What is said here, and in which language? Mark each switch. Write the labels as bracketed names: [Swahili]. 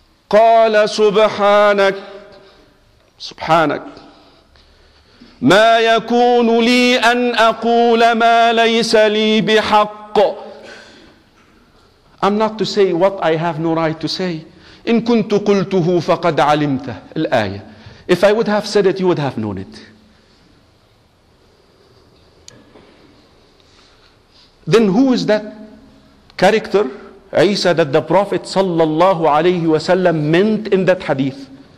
[Arabic] قَالَ سُبْحَانَكَ مَا يَكُونُ لِي أَنْ أَقُولَ مَا لَيْسَ لِي بِحَقُّ. [English] I'm not to say what I have no right to say. [Arabic] إِنْ كُنْتُ قُلْتُهُ فَقَدْ عَلِمْتَهُ الآية. [English] If I would have said it, you would have known it. Then who is that character, Isa, that the Prophet sallallahu alayhi wa sallam meant in that hadith?